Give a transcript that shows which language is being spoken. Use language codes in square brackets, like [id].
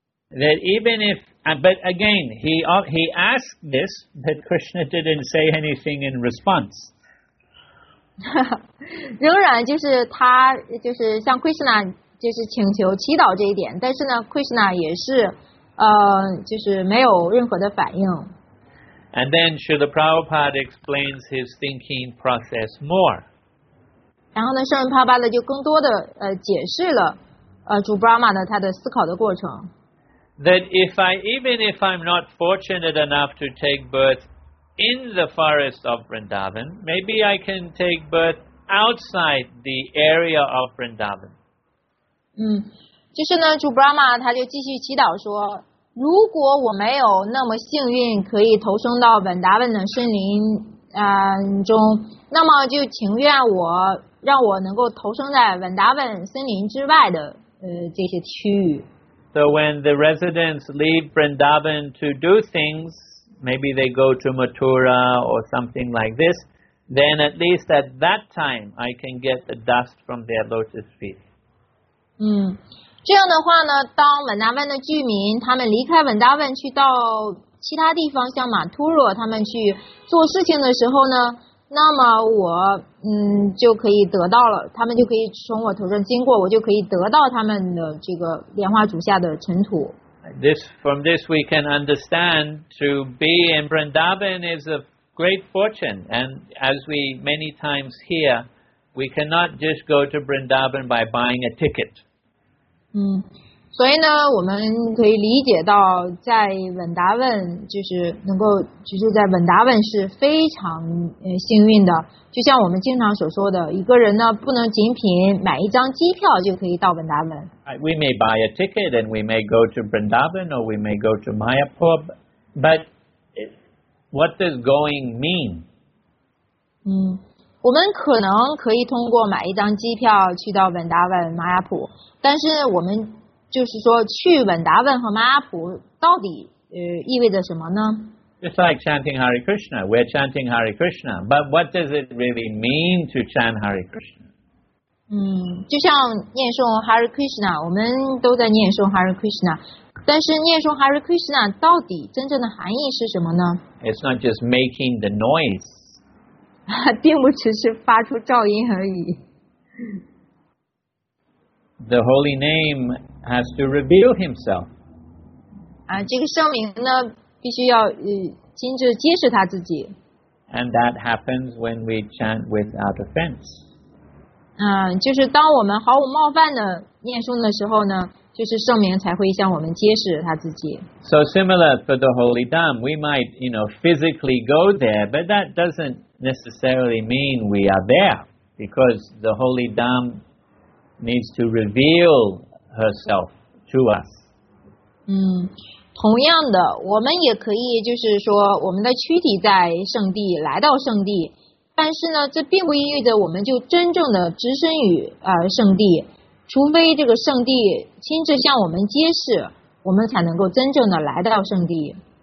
[en] That even if, but again, he asked this, but Krishna didn't say anything in response. [zh] 仍然就是他就是像 Krishna。就是请求祈祷这一点，但是呢 ，Krishna 也是，就是没有任何的反应。 [en] And then Srila Prabhupada explains his thinking process more. [zh] 然后呢，圣人帕巴勒就更多的解释了主布拉玛呢他的思考的过程。 [en] That even if I'm not fortunate enough to take birth in the forest of Vrindavan, maybe I can take birth outside the area of Vrindavan. [zh] 嗯，就是呢，主布拉玛他就继续祈祷说，如果我没有那么幸运可以投生到本达文的森林中，那么就情愿我让我能够投生在本达文森林之外的这些区域。 [en] So when the residents leave Vrindavan to do things, maybe they go to Mathura or something like this, then at least at that time I can get the dust from their lotus feet. [zh] 这样的话呢，当文达湾的居民他们离开文达湾去到其他地方，像马图罗他们去做事情的时候呢，那么我就可以得到了，他们就可以从我头上经过，我就可以得到他们的这个莲花主下的尘土。 [en] From this we can understand to be in Vrindavan is a great fortune, and as we many times hear, we cannot just go to Vrindavan by buying a ticket. [zh] 所以呢，我们可以理解到，在文达文就是能够居住在文达文是非常幸运的。就像我们经常所说的，一个人呢不能仅凭买一张机票就可以到文达文。 [en] We may buy a ticket and we may go to Vrindavan or we may go to Mayapur, but what does going mean? [zh] 我们可能可以通过买一张机票去到文达文、玛雅普，但是我们就是说去文达文和玛雅普到底意味着什么呢 [en] ？Just like chanting Hare Krishna, we're chanting Hare Krishna, but what does it really mean to chant Hare Krishna？ [zh] 就像念诵 Hare Krishna， 我们都在念诵 Hare Krishna， 但是念诵 Hare Krishna 到底真正的含义是什么呢 [en] ？It's not just making the noise。 [zh] 并不只是发出噪音而已。 [en] The holy name has to reveal himself. [zh] 这个圣名呢，必须要亲自揭示他自己。 [en] And that happens when we chant without offense. [zh] 就是当我们毫无冒犯的念诵的时候呢，就是圣名才会向我们揭示他自己。 [en] So similar for the holy dam, we might, you know, physically go there, but that doesn't. Necessarily mean we are there because the holy dam needs to reveal herself to us. [zh] 同样的，我们也可以就是说，我们的躯体在圣地，来到圣地，但是呢，这并不意味着我们就真正的置身于圣地，除非这个圣地亲自向我们揭示，我们才能够真正的来到圣地。